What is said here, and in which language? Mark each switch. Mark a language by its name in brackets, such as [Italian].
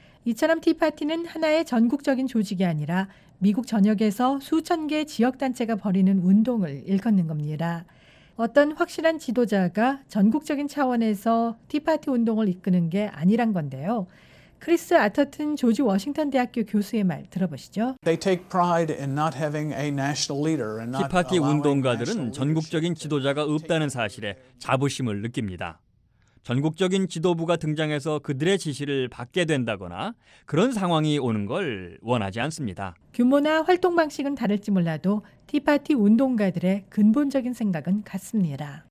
[Korean] 이처럼 티파티는 하나의 전국적인 조직이 아니라 미국 전역에서 수천 개 지역단체가 벌이는 운동을 일컫는 겁니다. 어떤 확실한 지도자가 전국적인 차원에서 티파티 운동을 이끄는 게 아니란 건데요. 크리스 아터튼 조지 워싱턴 대학교 교수의 말 들어보시죠. [English] They take pride in not having a national leader and not allowing [Korean] 티파티 운동가들은 전국적인 지도자가 없다는 사실에 자부심을 느낍니다. 전국적인 지도부가 등장해서 그들의 지시를 받게 된다거나 그런 상황이 오는 걸 원하지 않습니다. 규모나 활동 방식은 다를지 몰라도 티파티 운동가들의 근본적인 생각은 같습니다.